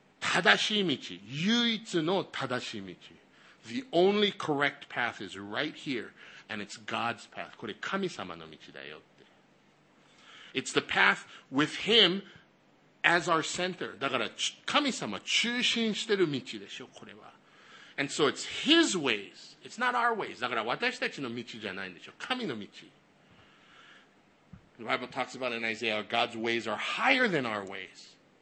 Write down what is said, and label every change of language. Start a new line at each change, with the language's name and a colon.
Japanese: 正しい道、唯一の正しい道.
English: The only correct path is right here, and it's God's path.
Japanese: これ神様の道だよって.
English: It's the path with Him as our center.
Japanese: だから神様中心してる道でしょ、これは.
English: And so it's His ways. It's not our ways.
Japanese: だから私たちの道じゃないんでしょ、神の道.
English: The Bible talks about in Isaiah, God's ways are higher than our ways.